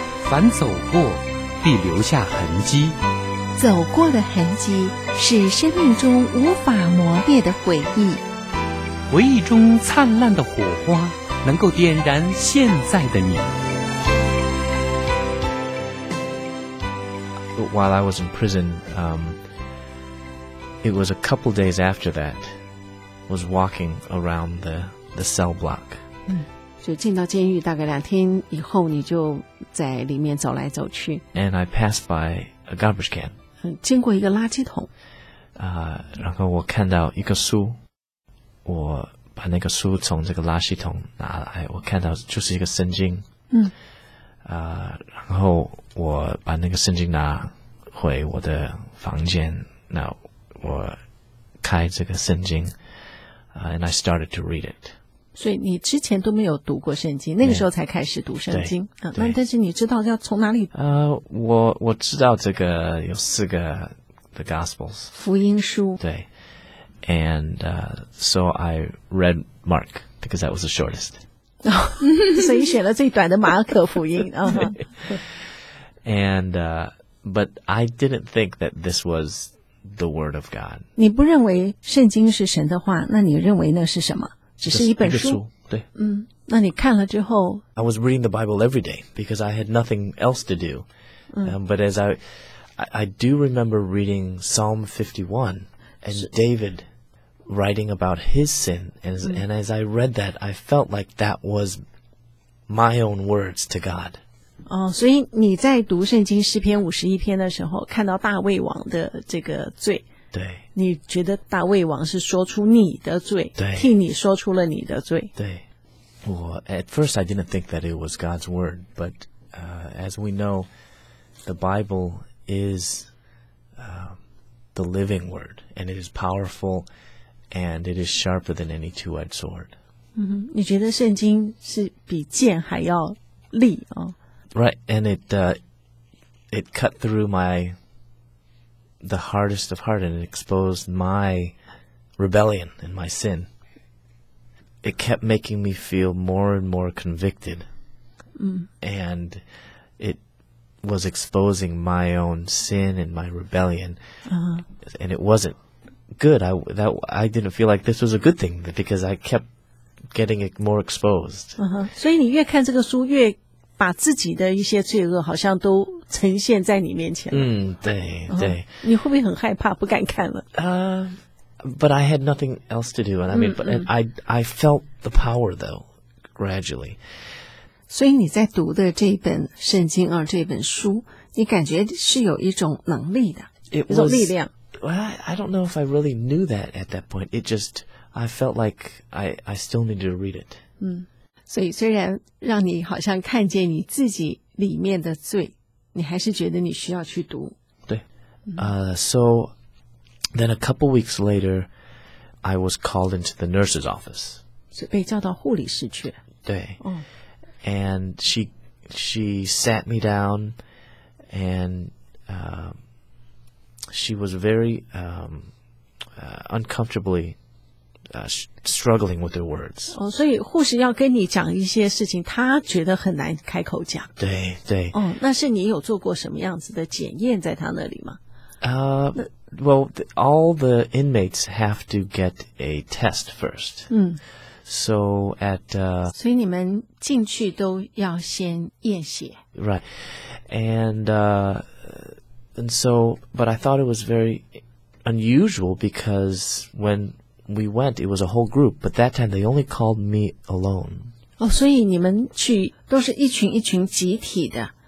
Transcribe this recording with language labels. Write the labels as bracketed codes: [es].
[zh] 凡走过必留下痕迹，走过的痕迹是生命中无法磨灭的回忆，回忆中灿烂的火花能够点燃现在的你。 [en] But while I was in prison, it was a couple days after that, was walking around the cell block. [zh] 就进到监狱大概两天以后，你就在里面走来走去。 [en] And I passed by a garbage can. [zh] 经过一个垃圾桶。然后我看到一个书，我把那个书从这个垃圾桶拿来，我看到就是一个圣经。然后我把那个圣经拿回我的房间，那我开这个圣经 [en] and I started to read it. [zh] 所以你之前都没有读过圣经，那个时候才开始读圣经。那但是你知道要从哪里？我知道这个有四个 [en] the gospels [zh] 福音书。对 [en] ，and so I read Mark because that was the shortest. [zh] 所以选了最短的马可福音。 [en] But I didn't think that this was the word of God. [zh] 你不认为圣经是神的话，那你认为那是什么？只是一本书。书对。那你看了之后。 [en] I was reading the Bible every day because I had nothing else to do. But as I do remember reading Psalm 51 and David. Writing about his sin, and as I read that, I felt like that was my own words to God. [zh] 所以你在读圣经诗篇五十一篇的时候，看到大卫王的这个罪，对，你觉得大卫王是说出你的罪，对，替你说出了你的罪。对，我 [en] at first I didn't think that it was God's word, but as we know, the Bible is the living word, and it is powerful. And it is sharper than any two-edged sword. [zh] 你觉得圣经是比剑还要利哦？ [en] Right, and it cut through the hardest of heart and it exposed my rebellion and my sin. It kept making me feel more and more convicted. And it was exposing my own sin and my rebellion. And it wasn't. Good. I didn't feel like this was a good thing because I kept getting it more exposed. [zh] 所以你越看这个书，越把自己的一些罪恶好像都呈现在你面前了。对对。你会不会很害怕，不敢看了？ [en] But I had nothing else to do, and I mean, but and I felt the power though gradually. [zh] 所以你在读的这一本圣经啊，这本书，你感觉是有一种能力的，一种力量。 [en] Well, I don't know if I really knew that at that point. It just, I felt like I still needed to read it. [zh] 所以虽然让你好像看见你自己里面的罪，你还是觉得你需要去读。对。 [en] So then a couple weeks later, I was called into the nurse's office. [zh] 所以被叫到护理室去。对。 [en] And she sat me down and... She was very uncomfortably struggling with her words. [zh] 所以护士要跟你讲一些事情，她觉得很难开口讲。对对。那是你有做过什么样子的检验在她那里吗？ [en] Well, all the inmates have to get a test first. So at [zh] 所以你们进去都要先验血。 [en] Right, and. And so, but I thought it was very unusual because when we went, it was a whole group. But that time, they only called me alone. [zh] 所以你们去都是一群一群集体的。